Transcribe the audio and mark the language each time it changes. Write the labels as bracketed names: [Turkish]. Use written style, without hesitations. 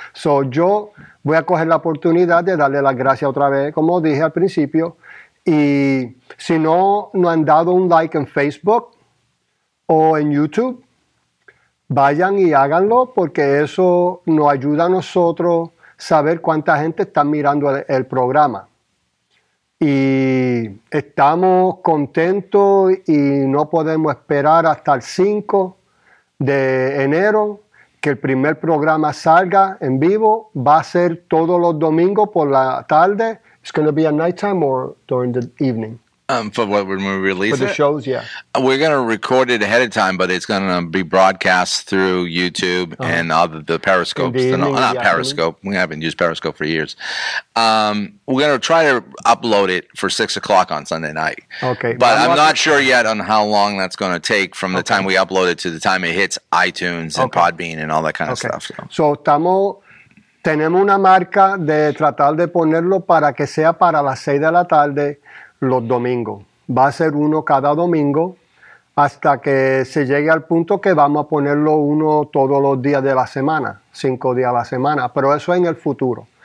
[Spanish] So yo voy a coger la oportunidad de darle las gracias otra vez, como dije al principio, y si no han dado un like en Facebook o en YouTube, vayan y háganlo, porque eso nos ayuda a nosotros saber cuánta gente está mirando el programa. Y estamos contentos y no podemos esperar hasta el 5 de enero que el primer programa salga en vivo. Va a ser todos los domingos por la tarde. [English] It's going to be at nighttime or during the evening? For what, when we release for the shows, yeah. We're going to record it ahead of time, but it's going to be broadcast through YouTube and the Periscope. Not Periscope. We haven't used Periscope for years. We're going to try to upload it for 6 o'clock on Sunday night. Okay. But I'm not sure yet on how long that's going to take from the time we upload it to the time it hits iTunes and Podbean and all that kind of stuff. [Spanish] So tenemos una marca de tratar de ponerlo para que sea para las 6 de la tarde. Los domingos. Va a ser uno cada domingo hasta que se llegue al punto que vamos a ponerlo uno todos los días de la semana, 5 días a la semana, pero eso es en el futuro.